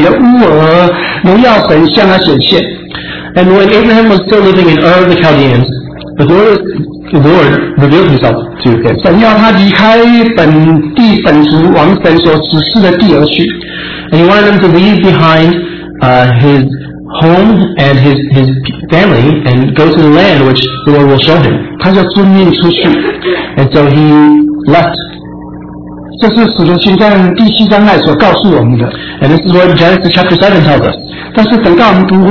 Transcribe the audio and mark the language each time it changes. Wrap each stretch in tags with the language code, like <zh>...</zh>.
<zh>说当亚伯拉罕还住在加勒底的乌尔，荣耀神向他显现。</zh> <en>And when Abraham was still living in Ur of the Chaldeans, the Lord revealed himself to him.</en> <zh>神要他离开本地本族，往神所指示的地而去。</zh> <en>And he wanted him to leave behind his home and his family and go to the land which the Lord will show him.</en> <zh>他就遵命出去。</zh> <en>And so he left.</en> <zh>这是使徒行传第七章来所告诉我们的。</zh> <en>And this is what Genesis chapter 7 tells us.</en>